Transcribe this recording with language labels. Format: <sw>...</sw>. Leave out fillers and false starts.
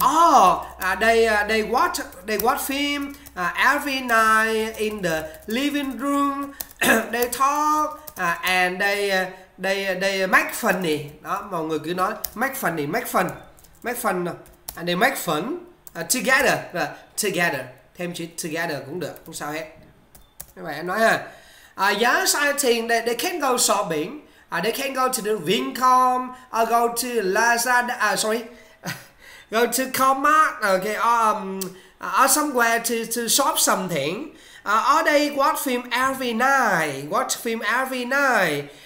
<en>They watch film every night in the living room. They talk and they make funny.</en> <vi>Đó, mọi người cứ nói</vi> <en>make fun. And they make fun together. Together.</en> <vi>Thêm chữ together cũng được, không sao hết. Các bạn nói ha.</vi> <en>Yes, I think they can go shopping. They can go to the Vincom or go to Lazada. Go to Comart, okay, or somewhere to shop something. Or they watch film every night. Watch film every night.</en>